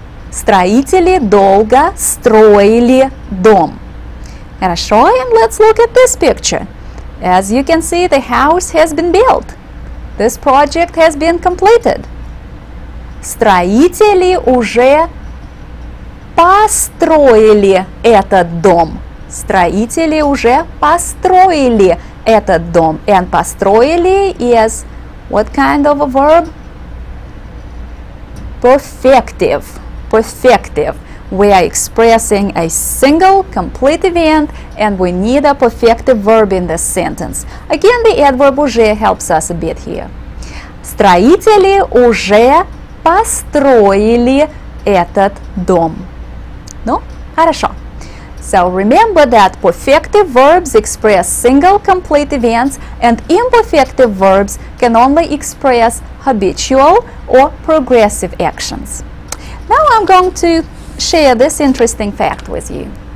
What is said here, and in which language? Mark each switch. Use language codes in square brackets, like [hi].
[ru] Строители долго строили дом. Хорошо, [en] and let's look at this picture. As you can see, the house has been built. This project has been completed. [ru] Строители уже построили этот дом. Строители уже построили этот дом. [en] And построили is what kind of a verb? Perfective. Perfective. We are expressing a single complete event and we need a perfective verb in this sentence. Again, the adverb уже helps us a bit here. [ru] Строители уже построили этот дом. Ну, хорошо. [en] So remember that perfective verbs express single complete events and imperfective verbs can only express habitual or progressive actions. Now I'm going to share this interesting fact with you.